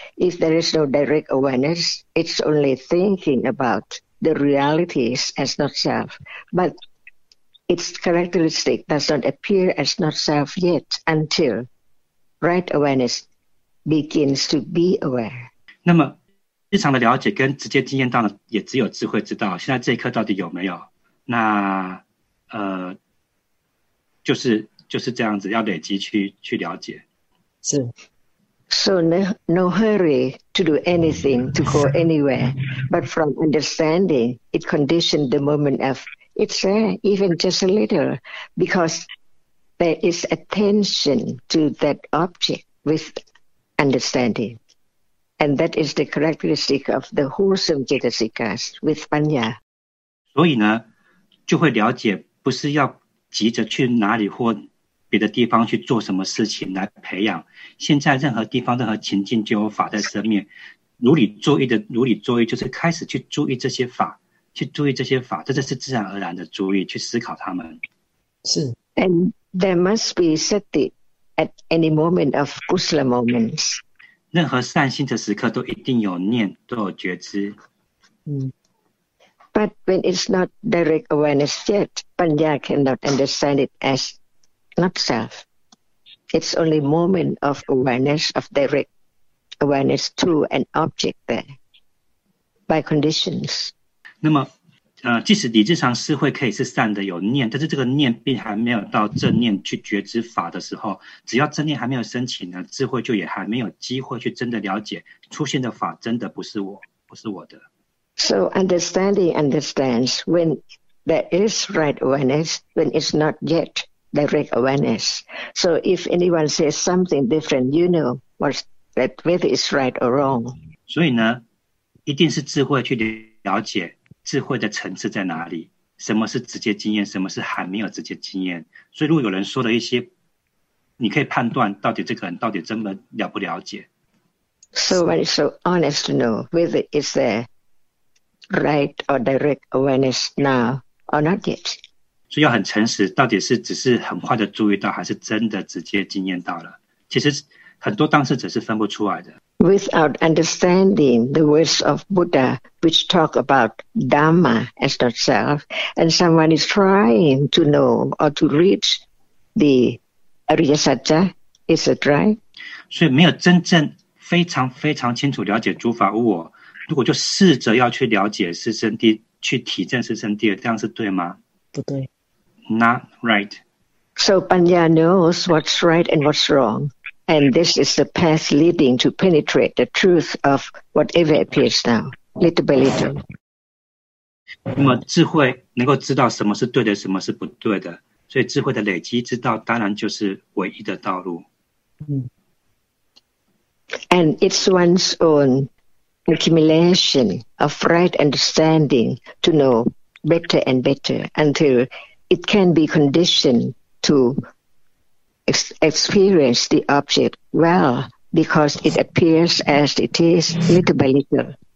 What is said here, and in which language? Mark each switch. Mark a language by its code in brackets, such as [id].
[en] If there is no direct awareness, it's only thinking about the realities as not self. ButIts characteristic does not appear as not self yet until right awareness begins to be aware. [zh] 那么日常的了解跟直接经验到的也只有智慧知道，现在这一刻到底有没有？那就是这样子，要累积去了解。是。 [en] So no hurry to do anything, to go anywhere, but from understanding, it conditioned the moment of. It's there, even just a little, because there is attention to that object with understanding. And that is the characteristic of the wholesome jitasikas with panya. [zh] 所以呢，就会了解不是要急着去哪里或别的地方去做什么事情来培养。现在任何地方任何情境就有法在生灭。如理作意就是开始去注意这些法。去注意这些法，这是自然而然的注意，去思考它们。是。 [en] And there must be sati at any moment of kusala moments. [zh] 任何善心的时刻都一定有念，都有觉知。 [en] But when it's not direct awareness yet, panya cannot understand it as not self. It's only moment of awareness, of direct awareness to an object there, by conditions. [zh] 那么即使理智上是会可以是善的有念，但是这个念并还没有到正念去觉知法的时候，只要正念还没有升起呢，智慧就也还没有机会去真的了解出现的法真的不是我的。 [en] So understanding understands when there is right awareness, when it's not yet direct awareness. So if anyone says something different, you know that whether it's right or wrong. [zh] 所以呢一定是智慧去了解。智慧的层次在哪里？什么是直接经验？什么是还没有直接经验？所以如果有人说了一些，你可以判断到底这个人到底真的了不了解。 [en] So when it's so honest to know whether it's a right or direct awareness now or not yet. [zh] 所以要很诚实，到底是只是很快的注意到，还是真的直接经验到了？其实很多当事者是分不出来的。 [en] Without understanding the words of Buddha, which talk about Dhamma as not self, and someone is trying to know or to reach the Arya-Sata, is it right? [zh] 所以没有真正非常非常清楚了解诸法无我。如果就试着要去了解师生地，去体证师生地，这样是对吗？不对。 [en] Not right. So Panya knows what's right and what's wrong, and this is the path leading to penetrate the truth of whatever appears now, little by little. [zh] 那么智慧能够知道什么是对的，什么是不对的，所以智慧的累积之道当然就是唯一的道路。 [en] And it's one's own accumulation of right understanding to know better and better until it can be conditioned to experience the object well because it appears as it is little by little.